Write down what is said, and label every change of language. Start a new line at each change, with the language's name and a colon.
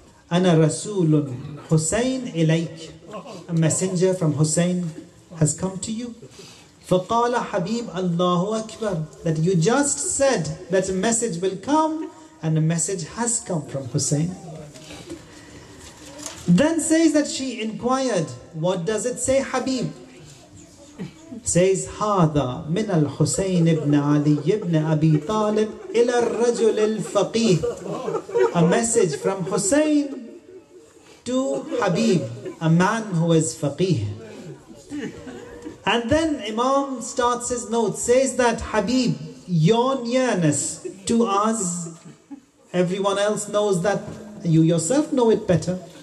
Arabic: Ana Rasulun Hussein ilayk.
English: A messenger from Hussein has come to you.
Arabic: فَقَالَ حَبِيبُ اللَّهُ أَكْبَرُ.
English: That you just said that a message will come, and a message has come from Hussein. Then says that she inquired, what does it say, Habib? Says,
Arabic: هَذَا مِنَ الْحُسَيْنِ ibn عَلِي ibn أَبِي طَالِبْ إِلَى الرَّجُلِ الْفَقِيهِ.
English: A message from Hussein to Habib, a man who is faqih. And then Imam starts his notes, says that Habib, your nearness to us, everyone else knows that, you yourself know it better.